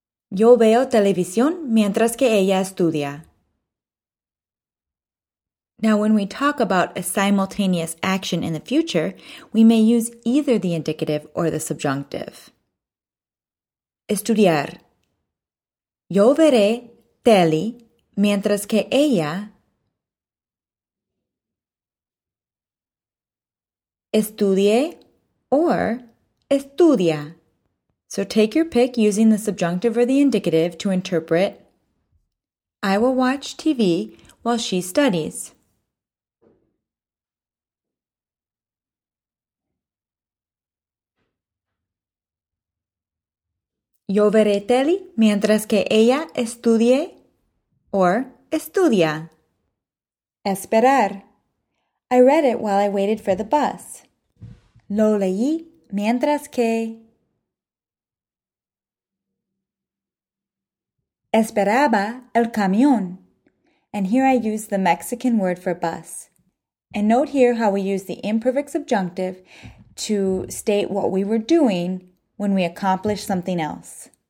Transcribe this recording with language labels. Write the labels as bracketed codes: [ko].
[es] Yo veo televisión mientras que ella estudia. [en] Now, when we talk about a simultaneous action in the future, we may use either the indicative or the subjunctive. [es] Estudiar. Yo veré tele mientras que ella estudie or estudia. [en] So take your pick using the subjunctive or the indicative to interpret. I will watch TV while she studies. [es] Yo veré tele mientras que ella estudie or estudia. Esperar. [en] I read it while I waited for the bus. [es] Lo leí mientras que esperaba el camión. [en] And here I use the Mexican word for bus. And note here how we use the imperfect subjunctive to state what we were doing when we accomplished something else.